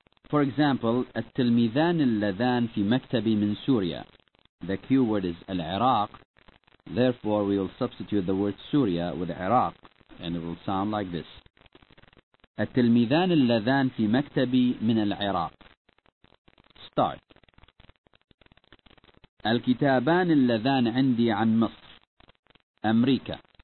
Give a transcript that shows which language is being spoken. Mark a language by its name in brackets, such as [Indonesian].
[English] For example, [Arabic] التلميذان اللذان في مكتبي من سوريا. [English] The cue word is العراق. Therefore, we will substitute the word Syria with Iraq, and it will sound like this. [Arabic] التلميذان اللذان في مكتبي من العراق. [English] Start. [Arabic] الكتابان اللذان عندي عن مصر. أمريكا.